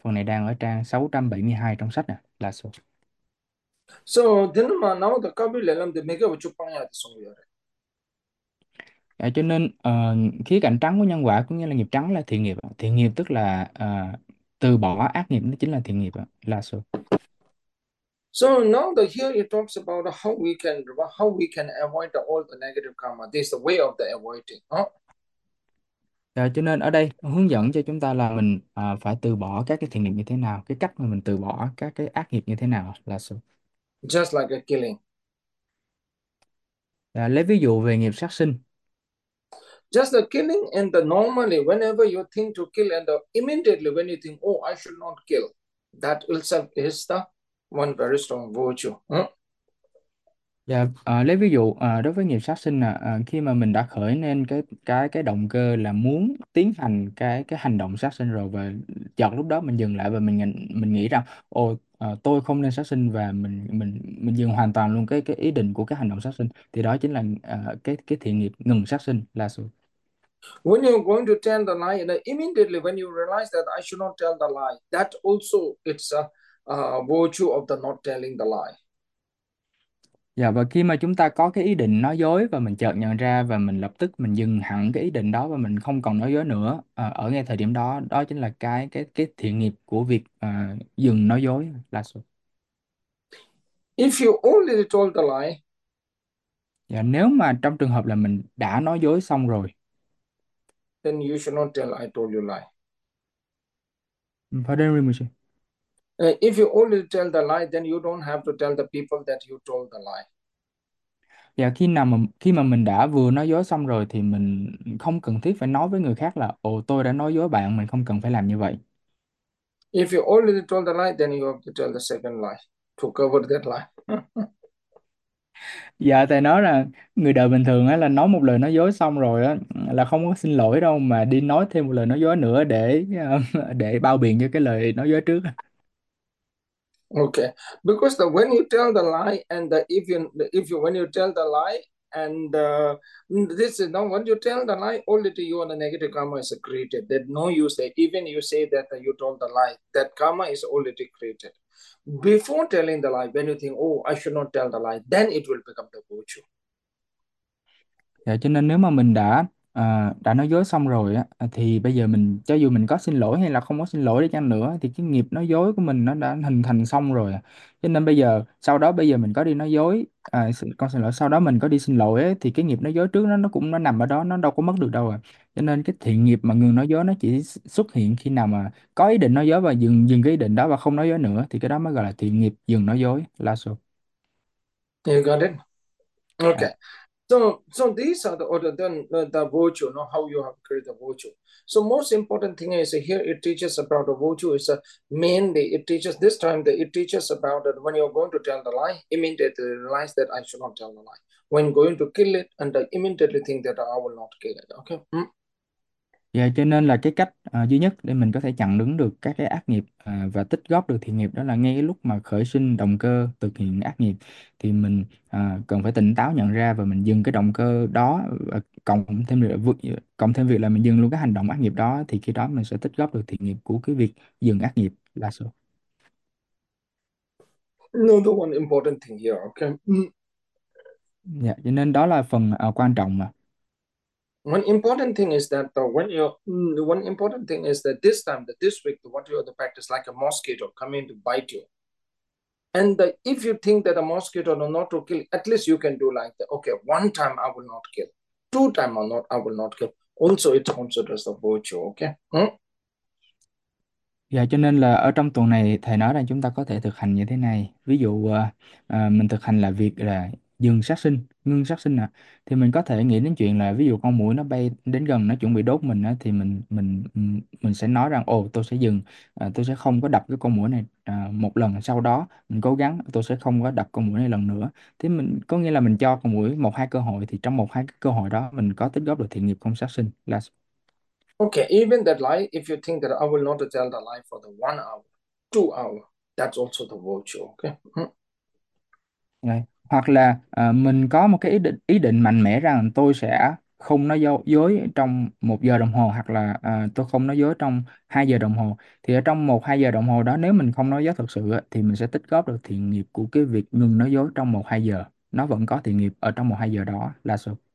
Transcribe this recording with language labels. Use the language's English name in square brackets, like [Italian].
[Vietnamese] Phần này đang ở trang 672 trong sách này, là số. So, thế mà nó đã có biết là làm được mấy cái vụ chụp bằng nhà thì xong rồi. À, cho nên khía cạnh trắng của nhân quả cũng như là nghiệp trắng là thiện nghiệp. Thiện nghiệp tức là từ bỏ ác nghiệp, nó chính là thiện nghiệp là số. [English] So now the here it talks about how we can avoid all the negative karma. This is the way of the avoiding. [Vietnamese] À, cho nên ở đây hướng dẫn cho chúng ta là mình phải từ bỏ các cái thiện nghiệp như thế nào, cái cách mà mình từ bỏ các cái ác nghiệp như thế nào là số. [English] Just like a killing. [Vietnamese] Lấy ví dụ về nghiệp sát sinh. [English] Just the killing and the normally whenever you think to kill and immediately when you think, oh, I should not kill, that itself is the one very strong virtue. [Vietnamese] Lấy ví dụ đối với nghiệp sát sinh là khi mà mình đã khởi nên cái động cơ là muốn tiến hành cái hành động sát sinh rồi, và chợt lúc đó mình dừng lại và mình nghĩ rằng ôi tôi không nên sát sinh, và mình dừng hoàn toàn luôn cái ý định của cái hành động sát sinh, thì đó chính là cái thiện nghiệp ngừng sát sinh là sự. [English] When you're going to tell the lie, and immediately when you realize that I should not tell the lie, that also it's a virtue of the not telling the lie. [Vietnamese] Dạ, và khi mà chúng ta có cái ý định nói dối và mình chợt nhận ra và mình lập tức mình dừng hẳn cái ý định đó và mình không còn nói dối nữa ở ngay thời điểm đó, đó chính là cái thiện nghiệp của việc dừng nói dối là sự. [English] You only told the lie, [Vietnamese] Dạ, nếu mà trong trường hợp là mình đã nói dối xong rồi [English] then you should not tell I told you lie. Pardon me, If you only tell the lie, then you don't have to tell the people that you told the lie. [Vietnamese] dạ, khi mà mình đã vừa nói dối xong rồi thì mình không cần thiết phải nói với người khác là ồ tôi đã nói dối bạn, mình không cần phải làm như vậy. [English] If you already told the lie, then you have to tell the second lie to cover that lie. [Vietnamese] Dạ, thầy nói là người đời bình thường á là nói một lời nói dối xong rồi á là không có xin lỗi đâu, mà đi nói thêm một lời nói dối nữa để bao biện cho cái lời nói dối trước. [English] Okay, because the when you tell the lie and the if you when you tell the lie and this is now when you tell the lie only to you and the negative karma is created. That no you say even you say that you told the lie, that karma is already created. Before telling the lie, when you think, oh, I should not tell the lie, then it will become the virtue. [Vietnamese] Dạ, cho nên nếu mà mình đã nói dối xong rồi á thì bây giờ mình cho dù mình có xin lỗi hay là không có xin lỗi đi chăng nữa thì cái nghiệp nói dối của mình nó đã hình thành xong rồi. Cho nên bây giờ sau đó bây giờ mình có đi nói dối con xin lỗi, sau đó mình có đi xin lỗi ấy, thì cái nghiệp nói dối trước nó cũng nó nằm ở đó, nó đâu có mất được đâu à. Cho nên cái thiện nghiệp mà ngừng nói dối nó chỉ xuất hiện khi nào mà có ý định nói dối và dừng dừng cái ý định đó và không nói dối nữa, thì cái đó mới gọi là thiện nghiệp dừng nói dối là số. [English] You got it? Okay. So these are the order, then the virtue, you know, how you have created the virtue. So most important thing is here it teaches about the virtue is mainly it teaches this time that it teaches about that when you're going to tell the lie, immediately realize that I should not tell the lie. When going to kill it, and I immediately think that I will not kill it. Okay. [Vietnamese] Dạ, cho nên là cái cách duy nhất để mình có thể chặn đứng được các cái ác nghiệp và tích góp được thiện nghiệp, đó là ngay cái lúc mà khởi sinh động cơ thực hiện ác nghiệp thì mình cần phải tỉnh táo nhận ra và mình dừng cái động cơ đó, cộng thêm việc là mình dừng luôn cái hành động ác nghiệp đó, thì khi đó mình sẽ tích góp được thiện nghiệp của cái việc dừng ác nghiệp là số. [English] Another one important thing here, okay? [Vietnamese] Dạ, cho nên đó là phần quan trọng mà. [English] One important thing is that one important thing is that this time, that this week, what you are the practice like a mosquito coming to bite you. And if you think that a mosquito will not to kill, at least you can do like that. Okay, one time I will not kill. Two time or not, I will not kill. Also, it considers as the virtue, okay? [Vietnamese] Dạ, cho nên là ở trong tuần này thầy nói rằng chúng ta có thể thực hành như thế này. Ví dụ mình thực hành là việc là dừng sát sinh, ngưng sát sinh thì mình có thể nghĩ đến chuyện là ví dụ con muỗi nó bay đến gần nó chuẩn bị đốt mình thì mình sẽ nói rằng ồ tôi sẽ dừng, tôi sẽ không có đập cái con muỗi này một lần, sau đó mình cố gắng tôi sẽ không có đập con muỗi này lần nữa. Thế mình có nghĩa là mình cho con muỗi một hai cơ hội, thì trong một hai cái cơ hội đó mình có tích góp được thiện nghiệp không sát sinh là. [English] Okay, even that lie, if you think that I will not tell the lie for the 1 hour, 2 hour, that's also the virtue, okay? [Vietnamese] Đây. Hoặc là mình có một cái ý định mạnh mẽ rằng tôi sẽ không nói dối trong 1 giờ đồng hồ, hoặc là tôi không nói dối trong 2 giờ đồng hồ, thì ở trong 1 2 giờ đồng hồ đó nếu mình không nói dối thật sự thì mình sẽ tích góp được thiện nghiệp của cái việc ngừng nói dối trong 1 2 giờ, nó vẫn có thiện nghiệp ở trong 1 2 giờ đó là sự.